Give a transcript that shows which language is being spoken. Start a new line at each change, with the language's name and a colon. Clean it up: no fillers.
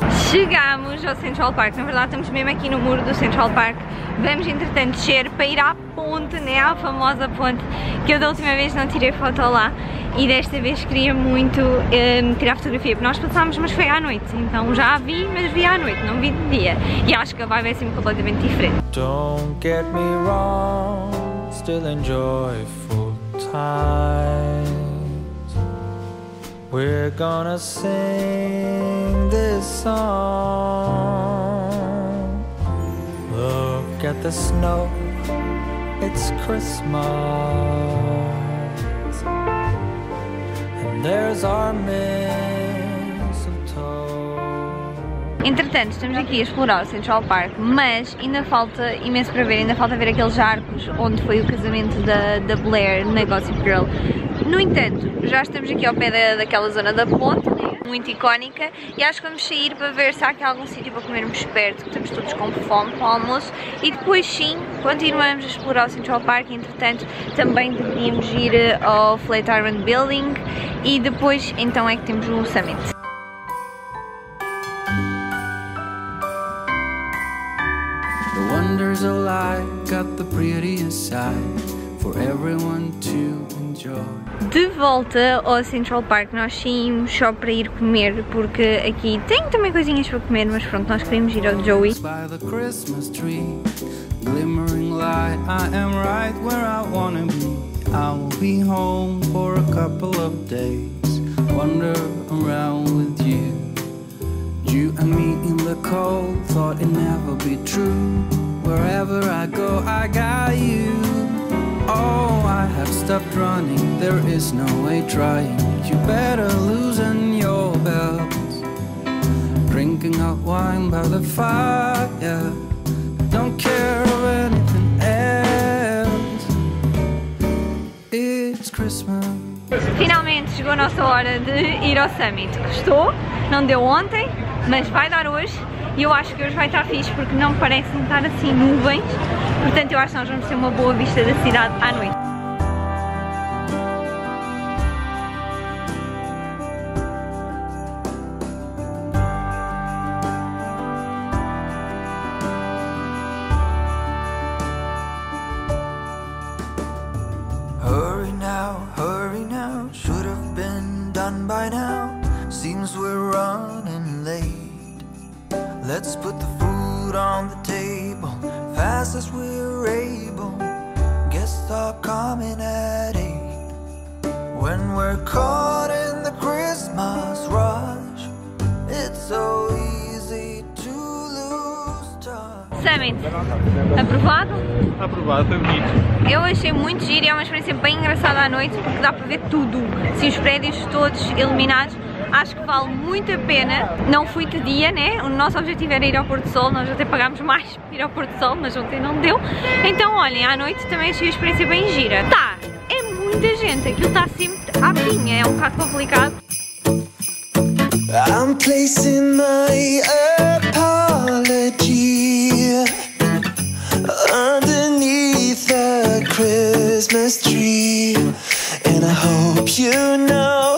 Portuguese: Chegámos ao Central Park, na verdade estamos mesmo aqui no muro do Central Park. Vamos entretanto descer para ir à ponte, né? À famosa ponte, que eu da última vez não tirei foto lá e desta vez queria muito tirar fotografia, porque nós passámos, mas foi à noite, então já a vi, mas vi à noite, não vi de dia. E acho que a vibe é sempre completamente diferente.
English: Don't get me wrong, still enjoy full time. We're gonna sing this song. Look at the snow, it's Christmas. And there's our mistletoe.
Portuguese: Entretanto, estamos aqui a explorar o Central Park, mas ainda falta imenso para ver, ainda falta ver aqueles arcos onde foi o casamento da Blair na Gossip Girl. No entanto, já estamos aqui ao pé daquela zona da ponte, muito icónica, e acho que vamos sair para ver se há aqui algum sítio para comermos perto, que estamos todos com fome para o almoço, e depois sim, continuamos a explorar o Central Park, entretanto também deveríamos ir ao Flatiron Building, e depois então é que temos o Summit.
English: The wonders of life got the prettiest side for everyone to enjoy.
Portuguese: De volta ao Central Park, nós saímos só para ir comer, porque aqui tem também coisinhas para comer, mas pronto, nós queremos ir ao Joey.
English: By the Christmas tree, glimmering light, I am right where I wanna be. I will be home for a couple of days, wander around with you. You and me in the cold, thought it never be true. Wherever I go, I got you. Oh, I have stopped running, there is no way trying. You better loosen your belt. Drinking hot wine by the fire. Don't care of anything else. It's Christmas.
Portuguese: Finalmente chegou a nossa hora de ir ao Summit. Gostou? Não deu ontem, mas vai dar hoje. E eu acho que hoje vai estar fixe porque não parece estar assim nuvens. Portanto, eu acho que nós vamos ter uma boa vista da cidade à noite.
English: Hurry now, hurry now. Should have been done by now. Seems we're running late. Let's put the food on the table, fast as we're able. Guests are coming at 8. When we're caught in the Christmas rush, it's so easy to lose touch.
Portuguese: Summit, aprovado? Aprovado, é bonito. Eu achei muito giro e é uma experiência bem engraçada à noite, porque dá para ver tudo, sim, os prédios todos iluminados. Acho que vale muito a pena, não fui de dia, né? O nosso objetivo era ir ao Porto Sol, nós até pagámos mais para ir ao Porto Sol, mas ontem não deu. Então olhem, à noite também achei a experiência bem gira. Tá, é muita gente, aquilo está sempre à pinha, é um bocado complicado.
English: I'm placing my apology underneath the Christmas tree, and I hope you know.